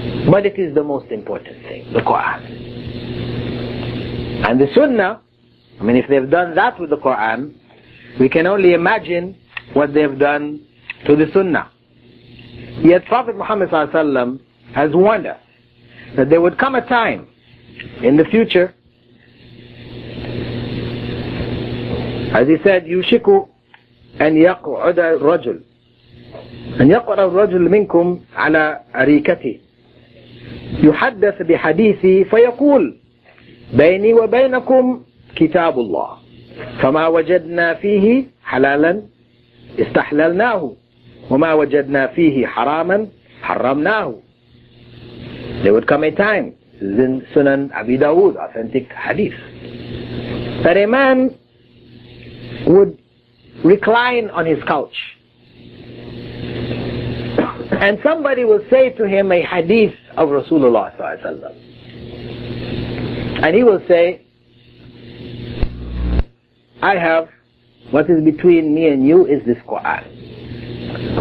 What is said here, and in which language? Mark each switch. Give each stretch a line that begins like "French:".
English: But it is the most important thing, the Quran. And the Sunnah, I mean, if they've done that with the Quran, we can only imagine what they've done to the Sunnah. Yet Prophet Muhammad Sallallahu Alaihi Wasallam has warned us that there would come a time in the future, as he said,
Arabic: يُشِكُ أَنْ يَقْعُدَ الرَّجُلُ أَنْ يَقْعُدَ الرَّجُلُ مِنْكُمْ عَلَىٰ أَرِيكَتِهِ يُحَدَّثُ بِحَدِيثِهِ فَيَقُولُ بَيْنِي وَبَيْنَكُمْ كِتَابُ اللَّهِ فَمَا وَجَدْنَا فِيهِ حَلَالًا اسْتَحْلَلْنَاهُ وَمَا وَجَدْنَا فِيهِ حَرَامًا حَرَّمْنَاهُ.
English: There would come a time, this is in Sunan Abi Dawood, authentic hadith, that a man would recline on his couch and somebody will say to him a hadith of Rasulullah Sallallahu Alaihi Wasallam, and he will say, I have, what is between me and you is this Quran.